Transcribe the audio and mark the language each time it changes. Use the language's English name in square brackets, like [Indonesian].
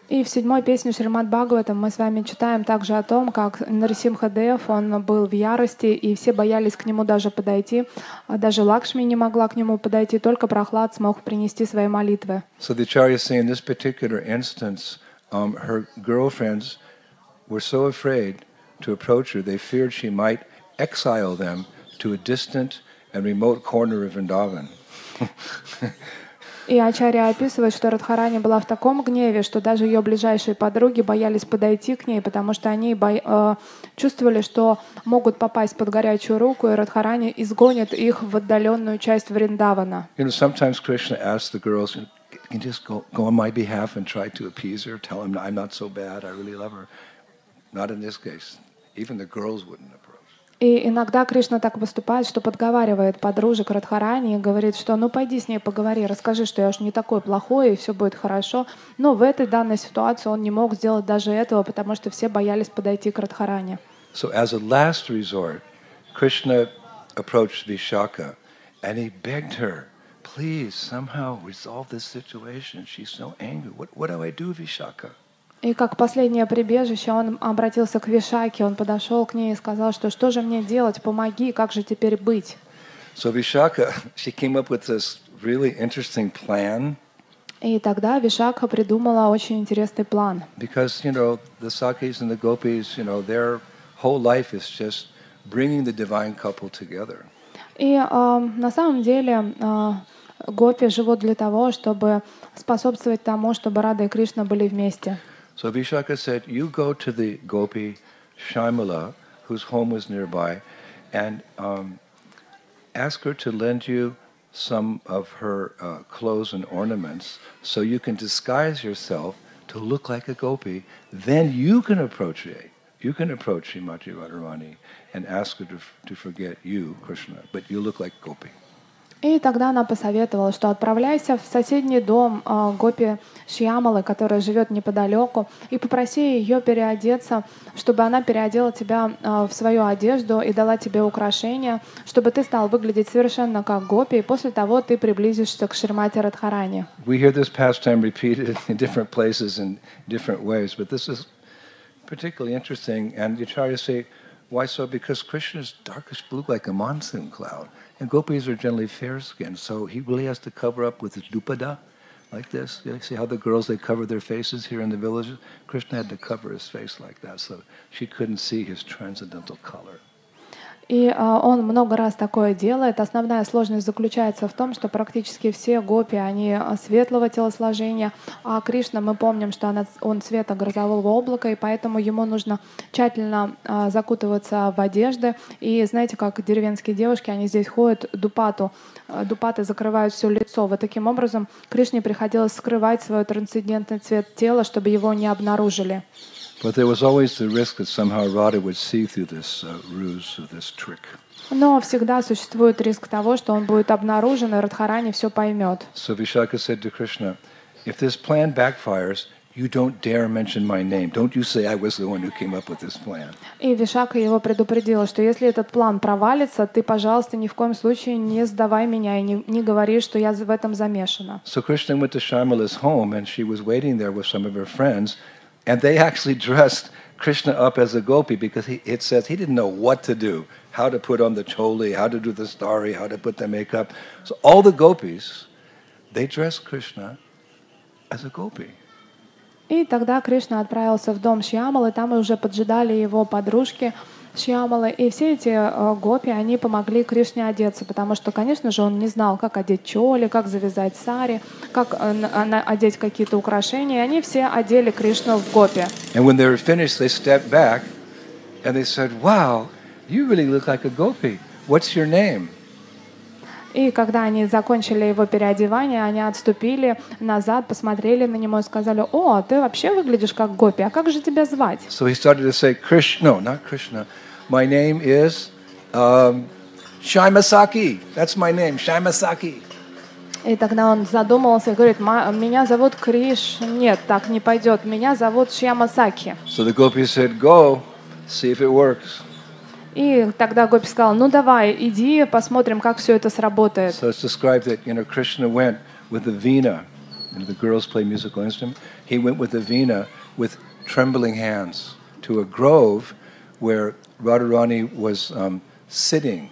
[Russian] И в седьмой песне Шримад Бхагаватам мы с вами читаем также о том, как Нрсимхадев, он был в ярости, и все боялись к нему даже подойти. Даже Лакшми не могла к нему подойти, только Прахлад смог принести свои молитвы. [English] So the Acharya say in this particular instance, her girlfriends were so afraid to approach her, they feared she might exile them to a distant and remote corner of Vrindavan. [Russian] И Ачарья описывает, что Радхарани была в таком гневе, что даже ее ближайшие подруги боялись подойти к ней, потому что они чувствовали, что могут попасть под горячую руку, и Радхарани изгонит их в отдаленную часть Вриндавана. [English] You know, sometimes Krishna asks the girls, can you just go on my behalf and try to appease her, tell him I'm not so bad, I really love her. Not in this case. Even the girls wouldn't have. [Russian] И иногда Кришна так поступает, что подговаривает подружек Радхарани и говорит, что ну пойди с ней поговори, расскажи, что я уж не такой плохой, и все будет хорошо. Но в этой данной ситуации он не мог сделать даже этого, потому что все боялись подойти к Радхарани. [English] So as a last resort, Krishna approached Vishakha, and he begged her, please somehow resolve this situation. She's so angry. What do I do, Vishakha? [Russian] И как последнее прибежище, он обратился к Вишакхе, он подошел к ней и сказал, что же мне делать, помоги, как же теперь быть? [English] So Vishakha, she came up with this really interesting plan. [Russian] И тогда Вишакха придумала очень интересный план. [English] Because, you know, the Sakis and the Gopis, you know, their whole life is just bringing the divine couple together. [Russian] И на самом деле Гопи живут для того, чтобы способствовать тому, чтобы Рада и Кришна были вместе. [English] So Vishakha said, you go to the gopi Shyamala, whose home was nearby, and ask her to lend you some of her clothes and ornaments so you can disguise yourself to look like a gopi. Then you can approach Srimati Radharani and ask her to forget you, Krishna, but you look like a gopi. [Russian] И тогда она посоветовала, что отправляйся в соседний дом Гопи Шьямалы, которая живет неподалеку, и попроси ее переодеться, чтобы она переодела тебя в свою одежду и дала тебе украшения, чтобы ты стал выглядеть совершенно как Гопи, и после того ты приблизишься к Шримати Радхарани. [English] We hear this pastime repeated in different places in different ways, but this is particularly interesting. And the Acharya say, why so? Because Krishna's darkest blue like a monsoon cloud. And gopis are generally fair-skinned, so he really has to cover up with his dupada, like this. You see how the girls, they cover their faces here in the village? Krishna had to cover his face like that, so she couldn't see his transcendental color. [Russian] И он много раз такое делает. Основная сложность заключается в том, что практически все гопи, они светлого телосложения, а Кришна, мы помним, что он цвета грозового облака, и поэтому ему нужно тщательно закутываться в одежды. И знаете, как деревенские девушки, они здесь ходят дупату, дупаты закрывают все лицо. Вот таким образом Кришне приходилось скрывать свой трансцендентный цвет тела, чтобы его не обнаружили. [English] But there was always the risk that somehow Radha would see through this ruse or this trick. [Russian] Но всегда существует риск того, что он будет обнаружен, и Радхарани все поймет. [English] So Vishakha said to Krishna, if this plan backfires, you don't dare mention my name. Don't you say I was the one who came up with this plan. [Russian] И Вишака его предупредила, что если этот план провалится, ты, пожалуйста, ни в коем случае не сдавай меня и не говори, что я в этом замешана. [English] So Krishna went to Sharmila's home, and she was waiting there with some of her friends. And they actually dressed Krishna up as a gopi because it says he didn't know what to do, how to put on the choli, how to do the stari, how to put the makeup. So all the gopis, they dressed Krishna as a gopi. [Russian] И тогда Кришна отправился в дом Шьямалы, там уже поджидали его подружки Шьямалы, и все эти гопи, они помогли Кришне одеться, потому что, конечно же, он не знал, как одеть чоли, как завязать сари, как одеть какие-то украшения, и они все одели Кришну в гопи. [English] And when they were finished, they stepped back, and they said, wow, you really look like a gopi. What's your name? [Russian] И когда они закончили его переодевание, они отступили назад, посмотрели на него и сказали: «О, ты вообще выглядишь как гопи, а как же тебя звать?» [English] So he started to say, Krishna, not Krishna. My name is Shyamasaki. That's my name, Shyamasaki. [Russian] И тогда он задумался и говорит: «Меня зовут Криш». Нет, так не пойдет. Меня зовут Шьямасаки. [English] So the gopi said, go, see if it works. [Russian] И тогда гопи сказал: ну давай, иди, посмотрим, как все это сработает. [English] So it's described that, you know, Krishna went with a veena, you know, the girls play musical instruments. He went with a veena with trembling hands to a grove where Radharani was sitting.